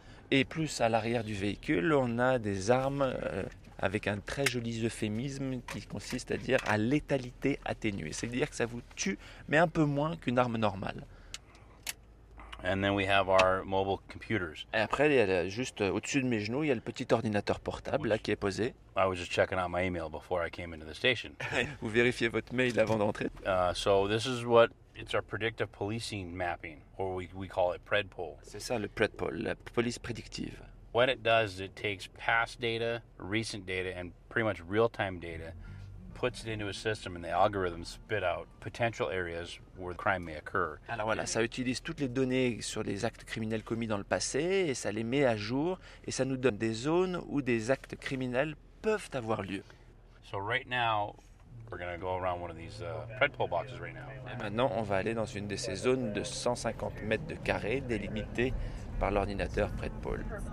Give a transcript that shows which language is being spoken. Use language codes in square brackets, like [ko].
[fr] Et plus à l'arrière du véhicule, on a des armes avec un très joli euphémisme qui consiste à dire à létalité atténuée. C'est-à-dire que ça vous tue, mais un peu moins qu'une arme normale. [en] And then we have our mobile computers. [fr] Et après, il y a juste au-dessus de mes genoux, il y a le petit ordinateur portable là, qui est posé. [en] I was just checking out my email before I came into the station. [fr] Vous vérifiez votre mail avant d'entrer. [en] So this is what it's our predictive policing mapping, or we call it PredPol. [fr] C'est ça le PredPol, la police prédictive. [en] What it does is it takes past data, recent data, and pretty much real-time data, puts it into a system, and the algorithms spit out potential areas where the crime may occur. [fr] Alors voilà, ça utilise toutes les données sur les actes criminels commis dans le passé, et ça les met à jour, et ça nous donne des zones où des actes criminels peuvent avoir lieu. [en] So right now, we're going to go around one of these PredPol boxes right now. [fr] Et maintenant, on va aller dans une de ces zones de 150 mètres de carré délimitées par l'ordinateur PredPol.